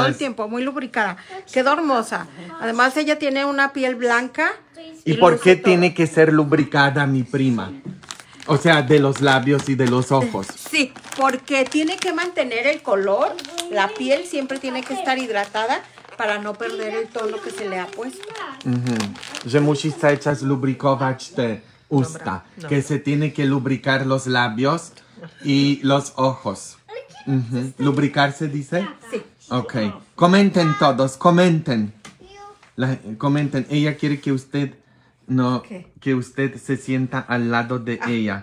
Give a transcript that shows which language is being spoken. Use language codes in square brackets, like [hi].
[es] todo el tiempo, muy lubricada. Quedó hermosa. Además, ella tiene una piel blanca. ¿Y por qué tiene que ser lubricada mi prima? O sea, de los labios y de los ojos. Sí, porque tiene que mantener el color. La piel siempre tiene que estar hidratada para no perder el tono que se le ha puesto. Mm-hmm. [pl] Że musisz cały czas lubrikować te usta. [es] Que se tiene que lubricar los labios y los ojos. Mm-hmm. ¿Lubricar se dice? Sí. Ok. Comenten todos, comenten. Comenten. Ella quiere que usted... No, ¿qué? Que usted se sienta al lado de ella.